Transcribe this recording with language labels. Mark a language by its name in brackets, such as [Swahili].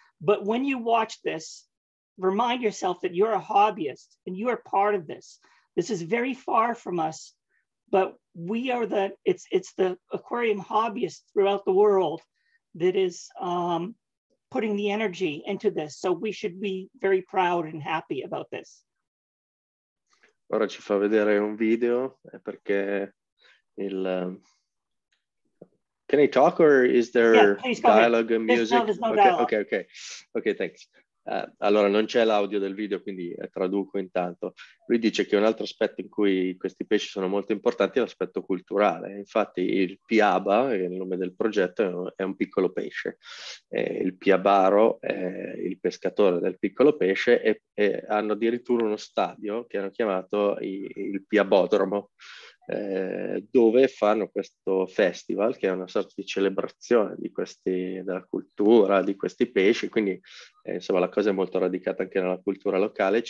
[English] But when you watch this, remind yourself that you're a hobbyist and you are part of this. This is very far from us, but we are it's the aquarium hobbyists throughout the world that is putting the energy into this. So we should be very proud and happy about this. [Italian] Ora ci fa vedere un video, è perché il... [English] Can I talk or is there dialogue and music? No, there's no dialogue. Okay, thanks. [Italian] Allora, non c'è l'audio del video, quindi traduco intanto. Lui dice che un altro aspetto in cui questi pesci sono molto importanti è l'aspetto culturale. Infatti il piaba, il nome del progetto, è un piccolo pesce. Il piabaro è il pescatore del piccolo pesce e hanno addirittura uno stadio che hanno chiamato il piabodromo, dove fanno questo festival che è una sorta di celebrazione di questi, della cultura di questi pesci, quindi insomma la cosa è molto radicata anche nella cultura locale.